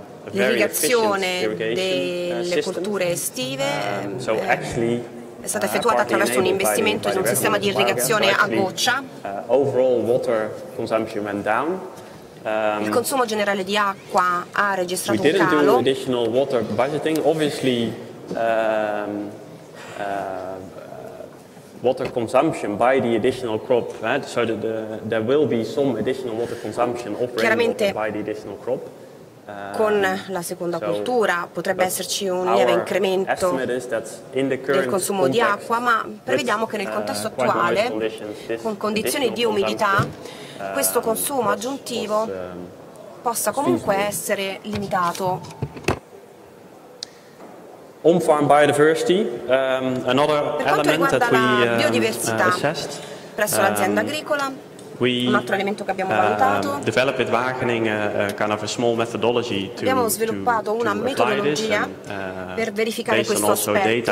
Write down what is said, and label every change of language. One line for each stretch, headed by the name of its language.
Italian: L'irrigazione delle colture estive è stata effettuata attraverso un investimento in un sistema di irrigazione a goccia. Il consumo generale di acqua ha registrato un calo.
English: Water consumption by the additional crop, right? So there will be some additional water consumption operating by the additional crop.
Italian: con la seconda cultura, potrebbe esserci un lieve incremento del consumo di acqua, ma prevediamo che nel contesto attuale, con condizioni di umidità, questo consumo aggiuntivo possa comunque essere limitato.
English: On-farm biodiversity, another element that we assessed.
Italian: Presso l'azienda agricola, un altro elemento che abbiamo valutato.
English: Developed Wageningen kind of a small methodology to
Italian: abbiamo sviluppato una metodologia per verificare questo aspetto.